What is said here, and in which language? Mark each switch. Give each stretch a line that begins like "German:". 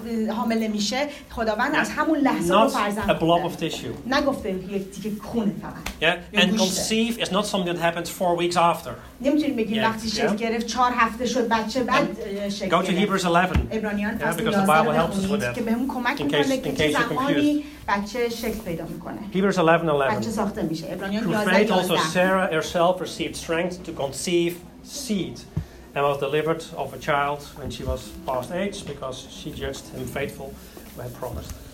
Persian: حامله میشه خداوند از همون لحظه رو فرزند میده نگفته یک تیکه خون فقط
English: and conceive is not something that happens 4 weeks after
Persian: نمیتونی بگی وقتی شکل گرفت 4 هفته شد بچه بعد شکل گرفت
English: go to Hebrews 11
Persian: عبرانیان
English: because the Bible helps us with that
Persian: که به اون کمک میکنه که چه زمانی بچه شکل پیدا میکنه
English: Hebrews 11:11
Persian: بچه ساخته میشه عبرانیان 11:11
English: through faith also Sarah herself received strength to conceive seed and was delivered of a child when she was past age because she judged him faithful who had promised.